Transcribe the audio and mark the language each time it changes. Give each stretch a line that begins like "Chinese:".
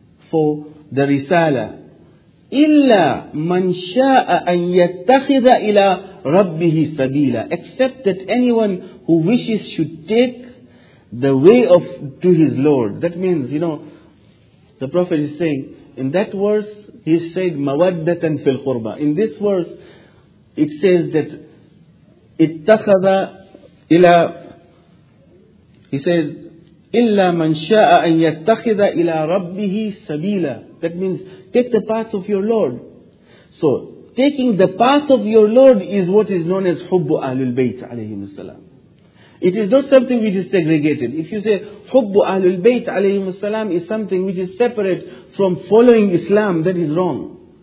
English: for the Risala,
Arabic: إِلَّا مَنْ شَاءَ أَنْ يَتَّخِذَ إِلَى رَبِّهِ سَبِيلًا,
English: except that anyone who wishes should take the way of to his Lord. That means, you know, the Prophet is saying, in that verse, he said,
Arabic: مَوَدَّةً فِي الْقُرْبَى.
English: In this verse, it says that,
Arabic: اتَّخَذَ إِلَى,
English: he says,
Arabic: إِلَّا مَنْ شَاءَ أَنْ يَتَّخِذَ إِلَى رَبِّهِ سَبِيلًا.
English: That means, take the path of your Lord. So, taking the path of your Lord is what is known as
Arabic: حُبُّ أَهْلُ الْبَيْتِ عَلَيْهِمُ السَّلَامُ.
English: It is not something which is segregated. If you say,
Arabic: حُبُّ أَهْلُ الْبَيْتِ عَلَيْهِمُ السَّلَامُ
English: is something which is separate from following Islam, that is wrong.